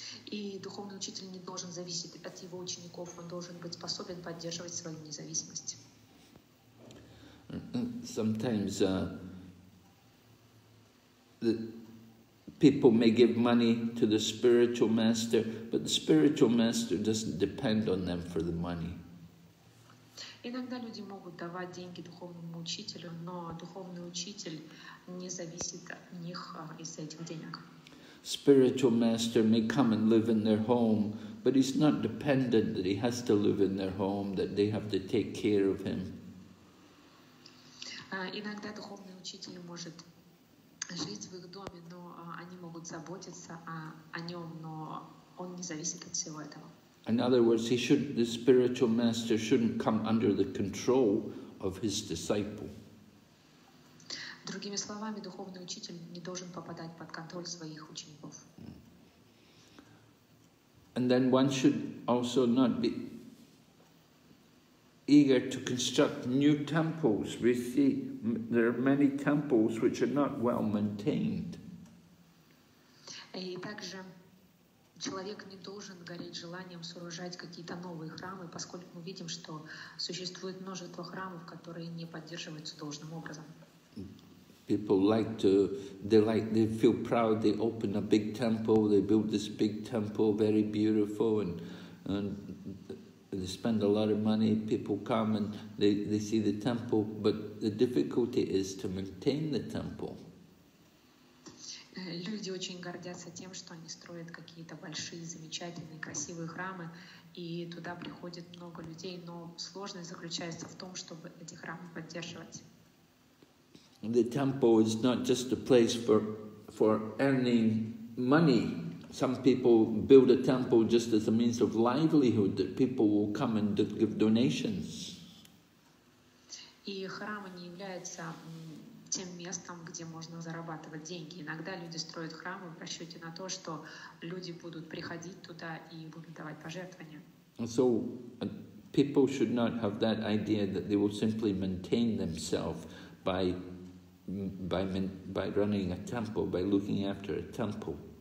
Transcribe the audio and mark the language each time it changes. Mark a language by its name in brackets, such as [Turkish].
[Russian] И духовный учитель не должен зависеть от его учеников, он должен быть способен поддерживать свою независимость. [English] Sometimes the people may give money to the spiritual master, but the spiritual master doesn't depend on them for the money. [Russian] Иногда люди могут давать деньги духовному учителю, но духовный учитель не зависит от них из этих денег. [English] Spiritual master may come and live in their home, but he's not dependent that he has to live in their home, that they have to take care of him. [Russian] Иногда духовный учитель может жить в их доме, но они могут заботиться о нем, но он не зависит от всего этого. [English] In other words, the spiritual master shouldn't come under the control of his disciple. [Russian] Другими словами, духовный учитель не должен попадать под контроль своих учеников. [English] And then one should also not be eager to construct new temples. We see there are many temples which are not well maintained. [Russian] И также человек не должен гореть желанием сооружать какие-то новые храмы, поскольку мы видим, что существует множество храмов, которые не поддерживаются должным образом. [English] People like to, they feel proud, they open a big temple, they build this big temple, very beautiful, and they spend a lot of money, people come and they see the temple, but the difficulty is to maintain the temple. [Russian] Люди очень гордятся тем, что они строят какие-то большие, замечательные, красивые храмы, и туда приходит много людей, но сложность заключается в том, чтобы эти храмы поддерживать. [English] The temple is not just a place for earning money. Some people build a temple just as a means of livelihood, that people will come and give donations. [Russian] И храм не является тем местом, где можно зарабатывать деньги. Иногда люди строят храмы в расчете на то, что люди будут приходить туда и будут давать пожертвования. [English] So people should not have that idea that they will simply maintain themselves by running a temple, by looking after a temple.